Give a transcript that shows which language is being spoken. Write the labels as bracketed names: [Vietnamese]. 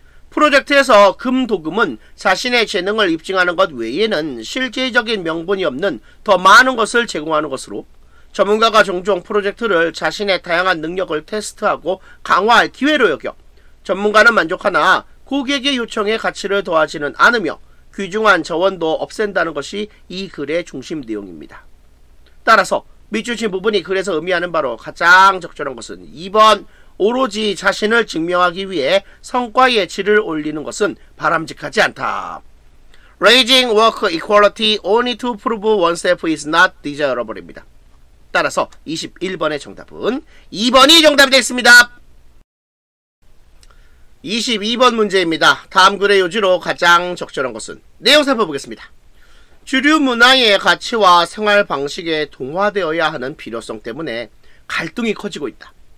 [Korean] 프로젝트에서 금도금은 자신의 재능을 입증하는 것 외에는 실질적인 명분이 없는 더 많은 것을 제공하는 것으로, 전문가가 종종 프로젝트를 자신의 다양한 능력을 테스트하고 강화할 기회로 여겨 전문가는 만족하나 고객의 요청에 가치를 더하지는 않으며 귀중한 자원도 없앤다는 것이 이 글의 중심 내용입니다. 따라서 밑주신 부분이 글에서 의미하는 바로 가장 적절한 것은 2번 오로지 자신을 증명하기 위해 성과의 질을 올리는 것은 바람직하지 않다. [English] Raising work equality only to prove oneself is not desirable입니다. [Korean] 따라서 21번의 정답은 2번이 정답이 되겠습니다. 22번 문제입니다. 다음 글의 요지로 가장 적절한 것은 내용 살펴보겠습니다. 주류 문화의 가치와 생활 방식에 동화되어야 하는 필요성 때문에 갈등이 커지고 있다.